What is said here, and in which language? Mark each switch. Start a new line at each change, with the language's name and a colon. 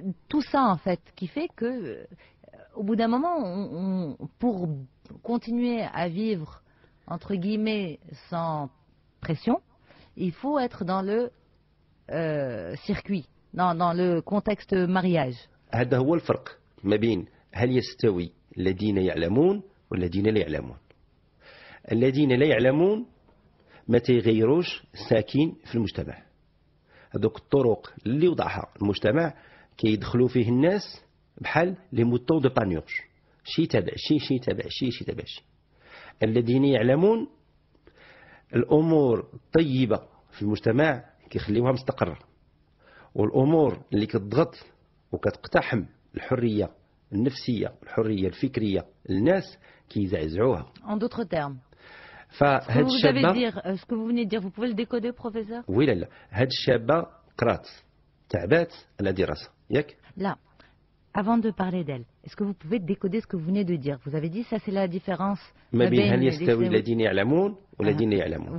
French: tout ça en fait, qui fait que, au bout d'un moment, pour continuer à vivre, entre guillemets, sans pression, il faut être dans le. سيركوي دون لو كونتكست مارياج.
Arabic: هذا هو الفرق ما بين هل يستوي الذين يعلمون والذين لا يعلمون. الذين لا يعلمون ما تيغيروش ساكن في المجتمع. هذوك الطرق اللي وضعها المجتمع كيدخلوا فيه الناس بحال
French: لي موتون دو بانيوش.
Arabic: شي تابع شي شي تابع شي شي تابع شي. الذين يعلمون الامور الطيبه في المجتمع كيخليوها مستقرة والأمور اللي كتضغط وكتقتحم الحرية النفسية الحرية الفكرية الناس كيزعزعوها.
French: En d'autres termes.
Arabic: فهاد الشابة.
French: Vous pouvez dire ce que vous venez de dire. Vous pouvez le décoder, professeur. Oui, là, là.
Arabic: هاد الشابة قرات تعبات على دراسة. ياك. لا.
French: Avant de parler d'elle, est-ce que vous pouvez décoder ce que vous venez de dire? Vous avez dit ça, c'est la différence.
Arabic: ما بين هل يستوي الذين يعلمون والذين يعلمون.